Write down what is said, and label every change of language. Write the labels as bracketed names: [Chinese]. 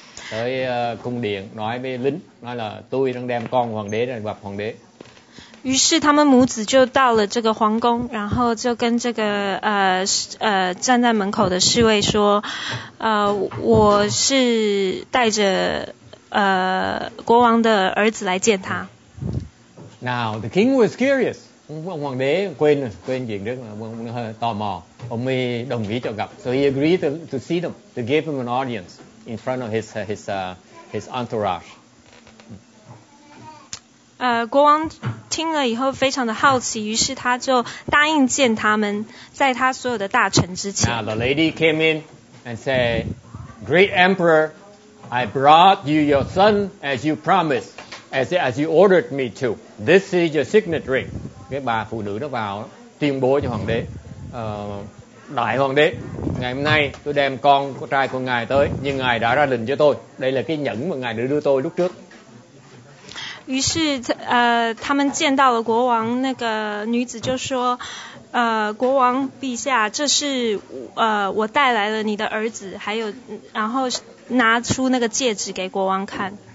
[Vietnamese] Tới cung điện nói với lính, nói là tôi đang đem con hoàng đế ra gặp hoàng đế. [Chinese] 于是他们母子就到了这个皇宫，然后就跟这个站在门口的侍卫说，我是带着国王的儿子来见他。 [English] Now the king was curious. [Vietnamese] 皇帝quên chuyện đó, ông hơi tò mò. Ông mới đồng ý cho gặp. [English] So he agreed to see them, to give him an audience in front of his entourage. [Chinese] 国王听了以后非常的好奇，于是他就答应见他们，在他所有的大臣之前。 [English] Now the lady came in and said, "Great Emperor, I brought you your son as you promised, as you ordered me to. This is your signet ring." [Vietnamese] Cái bà phụ nữ đó vào tuyên bố cho hoàng đế, đại hoàng đế, ngày hôm nay tôi đem con trai của ngài tới, nhưng ngài đã ra lệnh cho tôi, đây là cái nhẫn mà ngài đã đưa tôi lúc trước. [Chinese] 于是他们见到了国王，那个女子就说，国王陛下，这是我带来了你的儿子，还有然后拿出那个戒指给国王看。